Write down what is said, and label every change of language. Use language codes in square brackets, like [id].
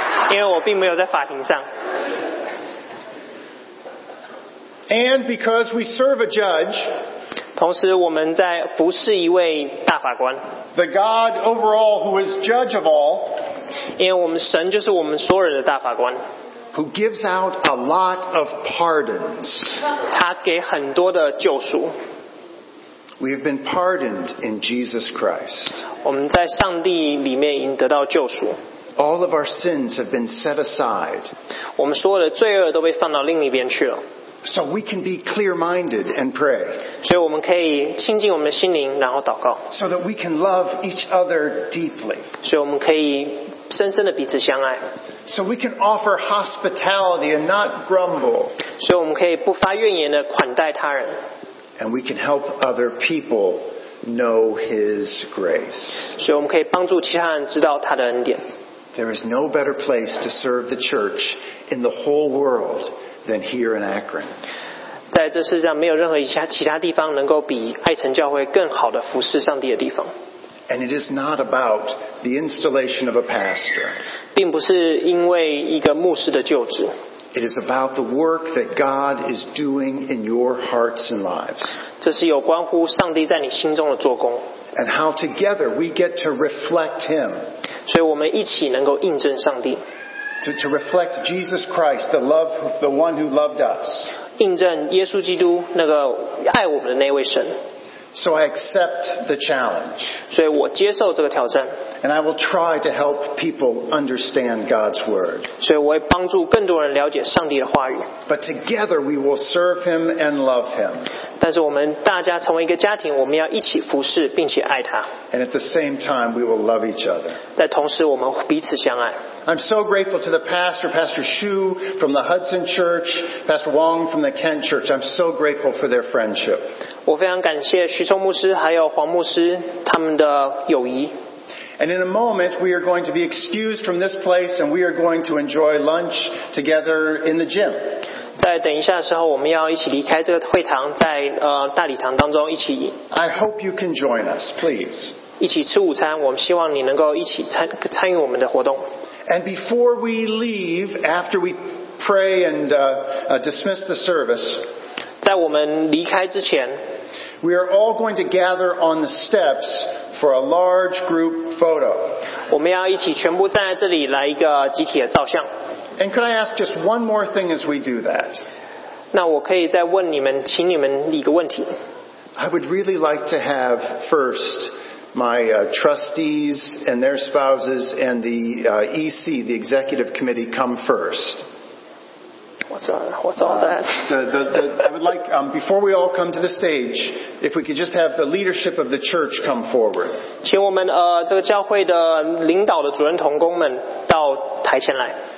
[zh] 因为我并没有在法庭上。 [en] And because we serve a judge. [zh] 同时我们在服侍一位大法官。 [en] The God over all who is judge of all. [zh] 因为我们神就是我们所有人的大法官 [en] who gives out a lot of pardons. [zh] 他给很多的救赎 [en] We have been pardoned in Jesus Christ. [zh] 我们在上帝里面已经得到救赎 [en] All of our sins have been set aside. [zh] 我们所有的罪恶都被放到另一边去了 [en] So we can be clear-minded and pray. [zh] 所以我们可以亲近我们的心灵然后祷告 [en] So that we can love each other deeply. [zh] 所以我们可以深深的彼此相爱 [en] So we can offer hospitality and not grumble. [zh] 所以我们可以不发怨言的款待他人 [en] And we can help other people know His grace. [zh] 所以我们可以帮助其他人知道他的恩典 [en] There is no better place to serve the church in the whole world than here in Akron. [zh] 在这世上没有任何其他地方能够比爱城教会更好的服侍上帝的地方 [en] And it is not about the installation of a pastor. [zh] 并不是因为一个牧师的就职。 [en] It is about the work that God is doing in your hearts and lives. [zh] 这是有关乎上帝在你心中的做工。 [en] And how together we get to reflect Him. [zh] 所以我们一起能够印证上帝。 [en] to reflect Jesus Christ, the one who loved us. [zh] 印证耶稣基督那个爱我们的那位神。 [en] So I accept the challenge. [zh] 所以我接受这个挑战。 [en] And I will try to help people understand God's word. [zh] 所以我会帮助更多人了解上帝的话语。 [en] But together we will serve Him and love Him. [zh] 但是我们大家成为一个家庭，我们要一起服侍并且爱他。 [en] And at the same time we will love each other. [zh] 在同时我们彼此相爱。 [en] I'm so grateful to the pastor, Pastor Shu from the Hudson Church, Pastor Wong from the Kent Church. I'm so grateful for their friendship. [zh] 我非常感谢徐聪牧师还有黄牧师他们的友谊。 [en] And in a moment, we are going to be excused from this place and we are going to enjoy lunch together in the gym. [zh] 在等一下的时候我们要一起离开这个会堂在大礼堂当中一起。 [en] I hope you can join us, please. [zh] 一起吃午餐我们希望你能够一起 参与我们的活动。 [en] And before we leave, after we pray and dismiss the service, [zh] 在我们离开之前, [en] we are all going to gather on the steps for a large group photo. [zh] 我们要一起全部站在这里来一个集体的照相。 [en] And could I ask just one more thing as we do that? [zh] 那我可以再问你们，请你们一个问题。 [en] I would really like to have first... My trustees and their spouses and the EC, the executive committee, come first. What's all that? I would like, before we all come to the stage, if we could just have the leadership of the church come forward. [zh] 请我们这个教会的领导的主任同工们到台前来。